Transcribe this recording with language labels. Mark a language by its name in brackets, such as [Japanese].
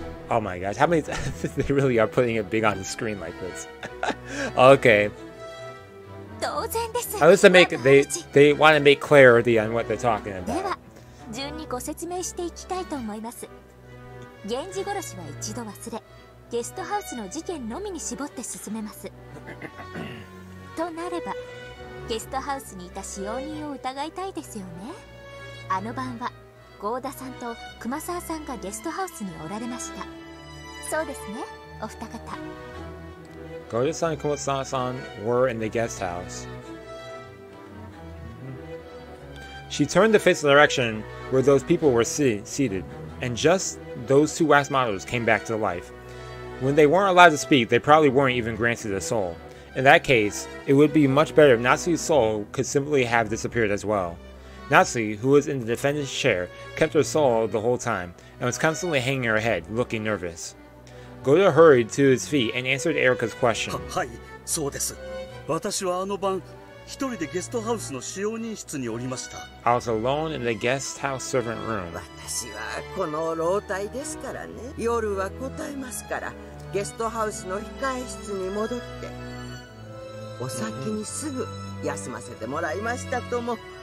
[English] Oh my gosh, how many times they really are putting it big on the screen like this? Okay. At least they want to make clarity on what they're talking about. [Japanese] では、順にご説明していきたいと思います。源氏殺しは一度忘れ、ゲストハウスの事件のみに絞って進めます。となれば、ゲストハウスにいた使用人を疑いたいですよね。あの晩は、ゴーダさんと熊沢さんがゲストハウスにおられました。そうですね、お二方。 [English] Gojo-san and Kumasa-san were in the guest house. She turned to face the direction where those people were seated, and just those two wax models came back to life. When they weren't allowed to speak, they probably weren't even granted a soul. In that case, it would be much better if Natsui's soul could simply have disappeared as well. Natsui, who was in the defendant's chair, kept her soul the whole time, and was constantly hanging her head, looking nervous. Gojo hurried to his feet and answered Erica's question. [Japanese] はい、そうです。私はあの晩、一人でゲストハウスの使用人室におりました。 [English] I was alone in the guest house servant room. [Japanese] 私はこの老体ですからね。夜は答えますから、ゲストハウスの控え室に戻って。お先にすぐ休ませてもらいましたとも。